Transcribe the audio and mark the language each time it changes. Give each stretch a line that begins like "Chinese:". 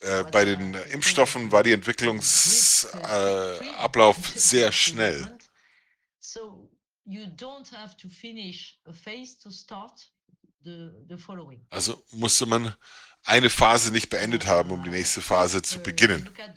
German: Bei den Impfstoffen war die Entwicklungsablauf sehr schnell.
English: So you don't have to finish a phase to start the following.
German: Also musste man eine Phase nicht beendet haben, um die nächste Phase zu beginnen.